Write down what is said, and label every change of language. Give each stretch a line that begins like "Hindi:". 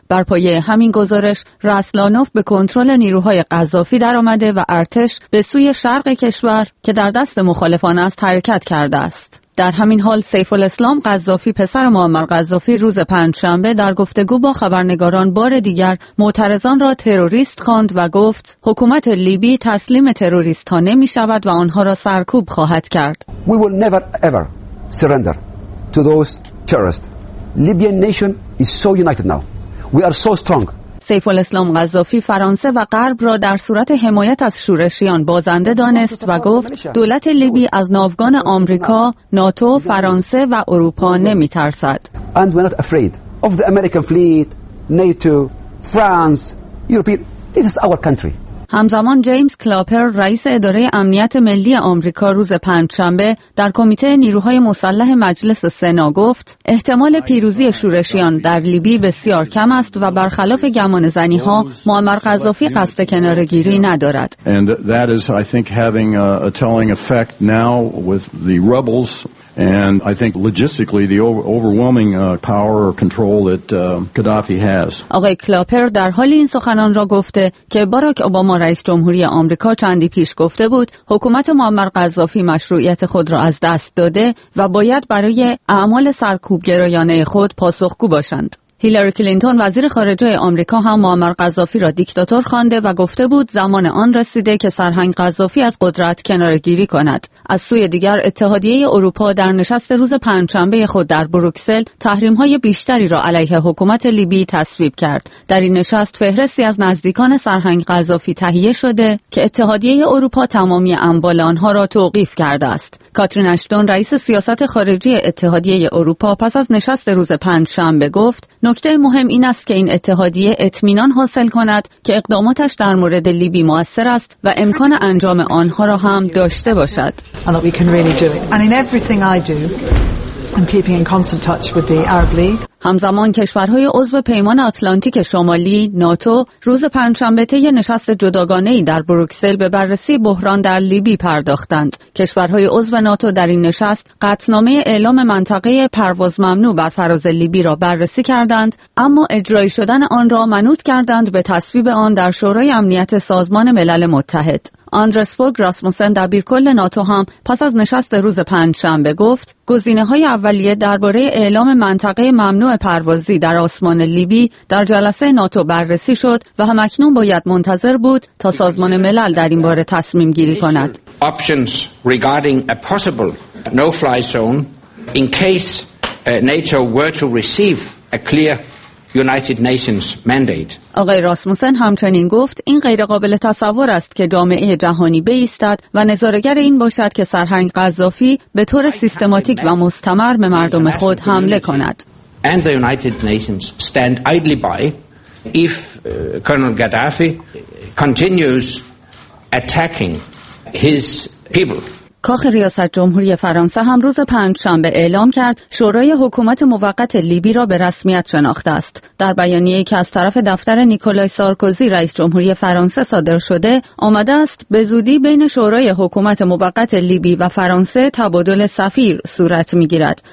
Persian: بر پایه همین گزارش، رأسلانوف به کنترل نیروهای قذافی درآمده و ارتش به سوی شرق کشور که در دست مخالفان است حرکت کرده است. در همین حال سیف الاسلام قذافی پسر معمر قذافی روز پنجشنبه در گفتگو با خبرنگاران بار دیگر معترضان را تروریست خواند و گفت حکومت لیبی تسلیم تروریست ها نمی شود و آنها را سرکوب خواهد کرد.
English: We will never ever surrender to those terrorists. Libyan nation is so united now. We are so strong.
Persian: سیف الاسلام قذافی فرانسه و غرب را در صورت حمایت از شورشیان بازنده دانست و گفت دولت لیبی از ناوگان آمریکا، ناتو، فرانسه و اروپا نمی ترسد.
English: And we're not afraid of the American fleet, NATO, France, European. This is our country.
Persian: همزمان جیمز کلاپر رئیس اداره امنیت ملی آمریکا روز پنجشنبه در کمیته نیروهای مسلح مجلس سنا گفت احتمال پیروزی شورشیان در لیبی بسیار کم است و برخلاف گمان زنی ها معمر قذافی قصد کناره گیری ندارد.
English: And that is I think having a telling effect now with the rebels And I think logistically the overwhelming power or control that Gaddafi has.
Persian: آقای کلاپر در حالی این سخنان را گفته که باراک اوباما رئیس جمهوری آمریکا چندی پیش گفته بود حکومت معمر قذافی مشروعیت خود را از دست داده و باید برای اعمال سرکوبگرایانه خود پاسخگو باشند. هیلاری کلینتون وزیر خارجه آمریکا هم معمر قذافی را دیکتاتور خوانده و گفته بود زمان آن رسیده که سرهنگ قذافی از قدرت کنارگیری کند. از سوی دیگر اتحادیه اروپا در نشست روز پنجشنبه خود در بروکسل تحریم‌های بیشتری را علیه حکومت لیبی تصویب کرد. در این نشست فهرستی از نزدیکان سرهنگ قذافی تهیه شده که اتحادیه اروپا تمامی اموال آنها را توقیف کرده است. کاترین اشتون رئیس سیاست خارجی اتحادیه اروپا پس از نشست روز پنجشنبه گفت نکته مهم این است که این اتحادیه اطمینان حاصل کند که اقداماتش در مورد لیبی مؤثر است و امکان انجام آنها را هم داشته باشد.
English: And that we can really do it. And in everything I do, I'm keeping in constant touch with the Arab League.
Persian: همزمان کشورهای عضو پیمان آتلانتیک شمالی ناتو روز پنجشنبه طی نشست جداگانه‌ای در بروکسل به بررسی بحران در لیبی پرداختند. کشورهای عضو ناتو در این نشست قطعنامه اعلام منطقه پرواز ممنوع بر فراز لیبی را بررسی کردند، اما اجرای شدن آن را منوط کردند به تصویب آن در شورای امنیت سازمان ملل متحد. آندرس فوگ راسموسن دبیرکل ناتو هم پس از نشست روز پنجشنبه گفت گزینه‌های اولیه درباره اعلام منطقه ممنوع پروازی در آسمان لیبی در جلسه ناتو بررسی شد و هم اکنون باید منتظر بود تا سازمان ملل در این باره تصمیم گیری کند.
English: Options regarding a possible no-fly zone in case NATO were to receive a clear United Nations mandate.
Persian: آقای راسموسن همچنین گفت این غیر قابل تصور است که جامعه جهانی بایستد و نظاره‌گر این باشد که سرهنگ قذافی به طور سیستماتیک و مستمر به مردم خود حمله کند.
English: And the United Nations stand idly by if Colonel Gaddafi continues attacking his people.
Persian: کاخ ریاست جمهوری فرانسه هم روز پنجشنبه اعلام کرد شورای حکومت موقت لیبی را به رسمیت شناخته است. در بیانیه‌ای که از طرف دفتر نیکولای سارکوزی رئیس جمهوری فرانسه صادر شده، آمده است به زودی بین شورای حکومت موقت لیبی و فرانسه تبادل سفیر صورت می‌گیرد.